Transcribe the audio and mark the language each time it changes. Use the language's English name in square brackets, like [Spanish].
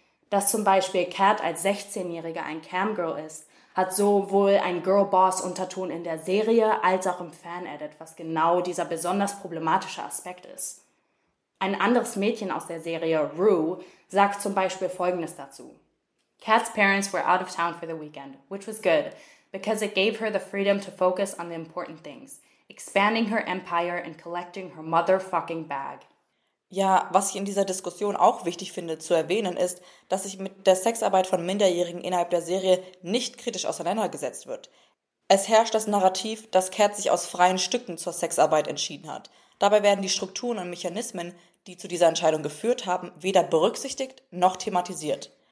[German] Dass zum Beispiel Kat als 16-Jährige ein Camgirl ist, hat sowohl ein Girl-Boss-Unterton in der Serie als auch im Fan-Edit, was genau dieser besonders problematische Aspekt ist. Ein anderes Mädchen aus der Serie, Rue, sagt zum Beispiel Folgendes dazu. [English] Kat's parents were out of town for the weekend, which was good, because it gave her the freedom to focus on the important things, expanding her empire and collecting her motherfucking bag. [German] Ja, was ich in dieser Diskussion auch wichtig finde zu erwähnen ist, dass sich mit der Sexarbeit von Minderjährigen innerhalb der Serie nicht kritisch auseinandergesetzt wird. Es herrscht das Narrativ, dass Kat sich aus freien Stücken zur Sexarbeit entschieden hat. Dabei werden die Strukturen und Mechanismen, die zu dieser Entscheidung geführt haben, weder berücksichtigt noch thematisiert.